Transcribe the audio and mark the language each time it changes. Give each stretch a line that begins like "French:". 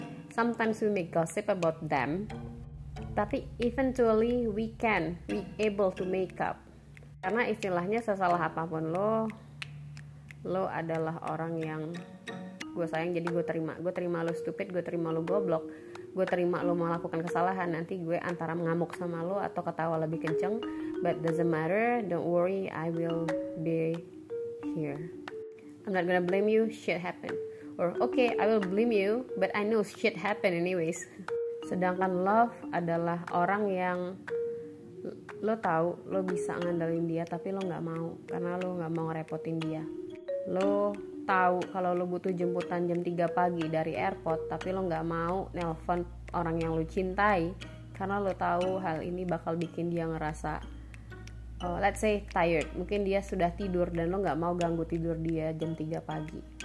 English: Sometimes we make gossip about them,
Indonesian: tapi
English: eventually we can be able to make up.
Indonesian: Karena istilahnya sesalah apapun lo, lo adalah orang yang gue sayang, jadi gue terima. Gue terima lo stupid, gue terima lo goblok, gue terima lo melakukan kesalahan. Nanti gue antara ngamuk sama lo atau ketawa lebih kenceng,
English: but doesn't matter, don't worry, I will be here. I'm not gonna blame you, shit happened. Or okay, I will blame you, but I know shit happened anyways.
Indonesian: Sedangkan love adalah orang yang lo tahu lo bisa ngandelin dia, tapi lo gak mau, karena lo gak mau ngerepotin dia. Lo tahu kalau lo butuh jemputan jam 3 pagi dari airport, tapi lo gak mau nelpon orang yang lo cintai, karena lo tahu hal ini bakal bikin dia ngerasa,
English: let's say tired,
Indonesian: mungkin dia sudah tidur dan lo gak mau ganggu tidur dia jam 3 pagi.